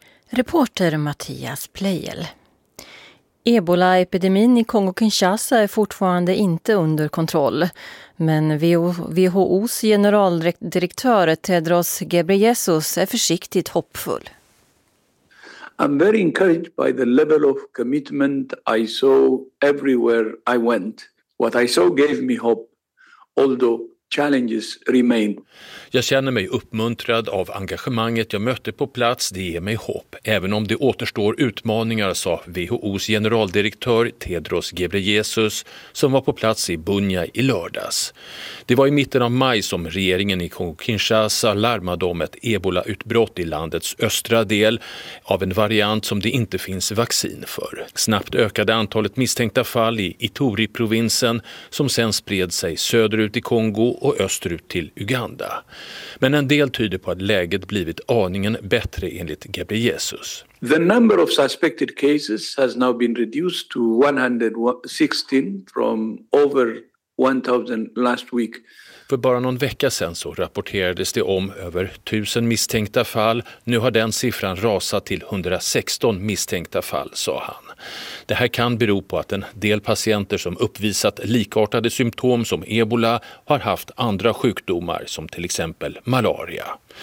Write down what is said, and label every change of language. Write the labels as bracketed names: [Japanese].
[Swedish] Reporter Mattias Pleijel. Ebola-epidemin i Kongo-Kinshasa är fortfarande inte under kontroll. Men WHOs generaldirektör Tedros Ghebreyesus är försiktigt hoppfull. [English] I'm very encouraged by the level of commitment I saw everywhere I went. What I saw gave me hope, although challenges remain. [Swedish] Jag känner mig uppmuntrad av engagemanget jag mötte på plats. Det ger mig hopp, även om det återstår utmaningar, sa WHOs generaldirektör Tedros Ghebreyesus, som var på plats i Bunia i lördags. Det var i mitten av maj som regeringen i Kongo-Kinshasa larmade om ett Ebola-utbrott i landets östra del av en variant som det inte finns vaccin för. Snabbt ökade antalet misstänkta fall i Ituri-provinsen, som sen spred sig söderut i Kongo och österut till Uganda. Men en del tyder på att läget blivit aningen bättre enligt Ghebreyesus. [English] The number of suspected cases has now been reduced to 116 from over 1000 last week. [Swedish] För bara någon vecka sedan så rapporterades det om över 1000 misstänkta fall. Nu har den siffran rasat till 116 misstänkta fall, sa han. Det här kan bero på att en del patienter som uppvisat likartade symptom som Ebola har haft andra sjukdomar, som till exempel malaria.